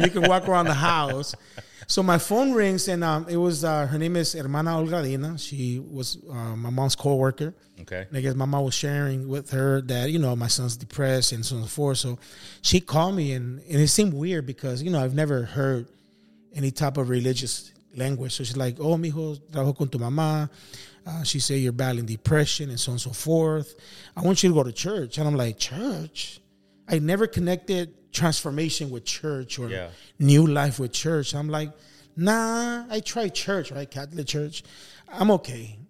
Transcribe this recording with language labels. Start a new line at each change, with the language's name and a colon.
English: You can walk around the house. So my phone rings, and it was her name is Hermana Olgadina. She was my mom's coworker. Okay. And I guess my mom was sharing with her that, you know, my son's depressed and so on and so forth. So she called me, and it seemed weird because, you know, I've never heard any type of religious language. So she's like,
Spanish: oh, mijo, trabajo con tu mamá.
English: She said you're battling depression and so on and so forth. I want you to go to church. And I'm like, church? I never connected transformation with church or new life with church. I'm like, nah, I tried church, right? Catholic church. I'm okay.